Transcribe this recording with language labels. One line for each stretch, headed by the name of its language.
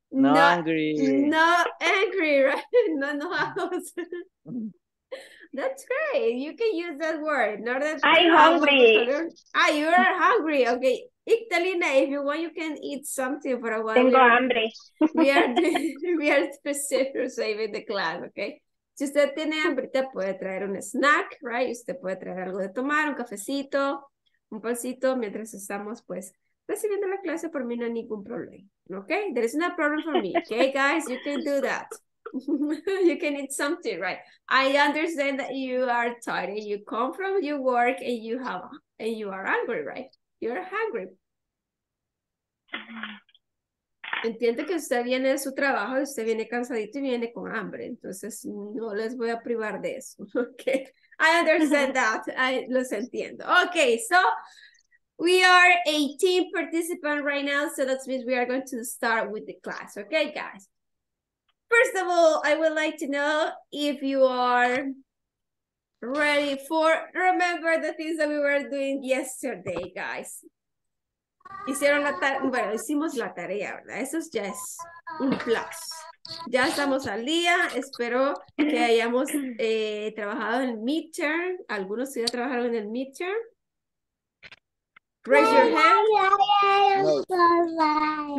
English: No angry,
Spanish: ¿verdad? No enojados.
English: That's great. You can use that word. I'm hungry. Ah, you are hungry. Okay. Ictalina, if you want, you can eat something for a while.
Spanish: Tengo hambre.
English: We are saving the class, okay?
Spanish: Si usted tiene hambre, usted puede traer un snack, right? Usted puede traer algo de tomar, un cafecito, un pancito, mientras estamos, pues, recibiendo la clase. Por mí no hay ningún problema, okay?
English: There is no problem for me, okay, guys? You can do that. You can eat something, right? I understand that you are tired. You come from your work and you are hungry, right? You are hungry.
Spanish: Entiendo que usted viene de su trabajo, usted viene cansadito y viene con hambre. Entonces, no les voy a privar de eso.
English: Okay. I understand that.
Spanish: Los entiendo.
English: Okay, so we are 18 participants right now. So that means we are going to start with the class. Okay, guys. First of all, I would like to know if you are ready for remember the things that we were doing yesterday, guys.
Spanish: Hicieron la tarea, bueno, hicimos la tarea, ¿verdad? Eso ya es un plus. Ya estamos al día, espero que hayamos trabajado en el midterm. Algunos ya trabajaron en el midterm.
English: Raise your hand.